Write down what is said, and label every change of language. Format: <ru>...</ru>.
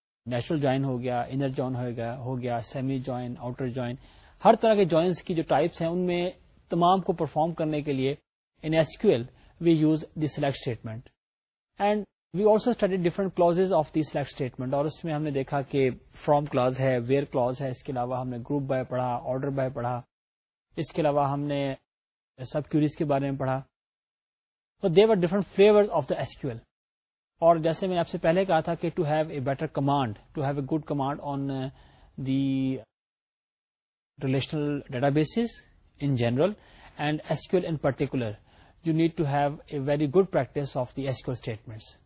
<ur>Natural join ہو گیا, inner join ہو گیا, semi join, outer join, ہر طرح کے جوائنس کی جو ٹائپس ہیں ان میں تمام کو پرفارم کرنے کے لیے</ur> <en>In S Q L we use the select statement. And we also studied different clauses of the select statement.</en> <ur>اور اس میں ہم نے دیکھا کہ فرام کلاز ہے, ویئر کلاز ہے, اس کے علاوہ ہم نے گروپ بائے پڑھا, آرڈر بائے پڑھا, اس کے علاوہ ہم نے سب کیوریز کے بارے میں پڑھا.</ur> <en>تو they are different flavours of the S Q L.</en> <ur>اور جیسے میں نے آپ سے پہلے کہا تھا کہ</ur> <en>To have a better command, to have a good command on the relational databases in general and S Q L in particular, you need to have a very good practice of the S Q L statements.</en>